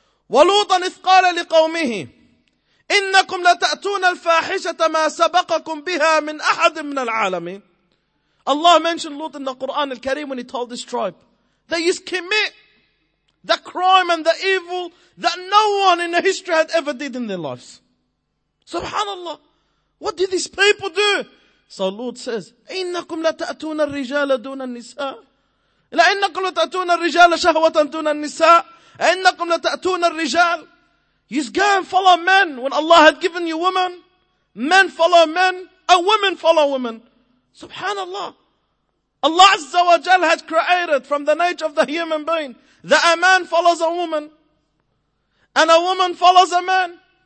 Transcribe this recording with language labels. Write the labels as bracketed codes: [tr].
[ar] وَلُوطًا إِذْ قَالَ لِقَوْمِهِ إِنَّكُمْ لَتَأْتُونَ الْفَاحِشَةَ مَا سَبَقَكُمْ بِهَا مِنْ أَحَدٍ مِنَ الْعَالَمِينَ. [en] Allah mentioned Lot in the Quran al-Kareem when he told his tribe that you commit the crime and the evil that no one in the history had ever did in their lives. Subhanallah. What did these people do? So Lord says, [ar] إِنَّكُمْ لَتَأْتُونَ الرِّجَالَ دُونَ النِّسَاءِ لَإِنَّكُمْ لَتَأْتُونَ الرِّجَالَ شَهْوَةً دُونَ النِّسَاءِ إِنَّكُمْ لَتَأْتُونَ الرِّجَالَ. [en] You go and follow men when Allah had given you women. Men follow men and women follow women. Subhanallah. Allah Azza wa Jal has created from the nature of the human being that a man follows a woman and a woman follows a man.